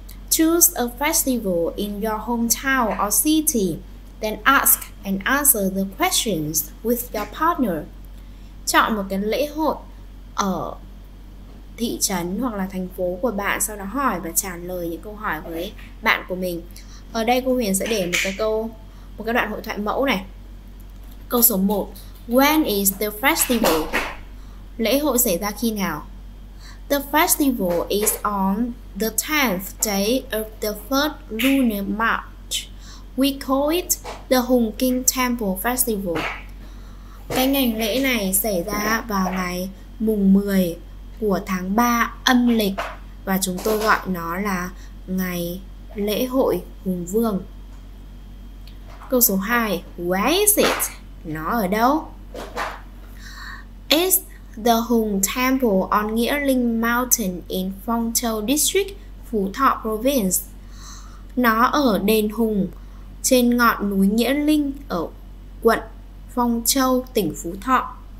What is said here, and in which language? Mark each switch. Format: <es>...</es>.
<en>Choose a festival in your hometown or city, then ask and answer the questions with your partner.</en> <vi>Chọn một cái lễ hội ở thị trấn hoặc là thành phố của bạn, sau đó hỏi và trả lời những câu hỏi với bạn của mình. Ở đây cô Huyền sẽ để một cái đoạn hội thoại mẫu này. Câu số 1.</vi> <en>When is the festival?</en> <vi>Lễ hội xảy ra khi nào?</vi> <en>The festival is on the 10th day of the third lunar month. We call it the Hùng Kinh Temple Festival.</en> <vi>Cái ngày lễ này xảy ra vào ngày mùng 10 của tháng 3 âm lịch và chúng tôi gọi nó là ngày lễ hội Hùng Vương. Câu số 2.</vi> <en>Where is it?</en> <vi>Nó ở đâu?</vi> <en>It's the Hùng Temple on Nghĩa Linh Mountain in Phong Châu District, Phú Thọ Province.</en> <vi>Nó ở đền Hùng trên ngọn núi Nghĩa Linh ở quận Phong Châu, tỉnh Phú Thọ.</vi>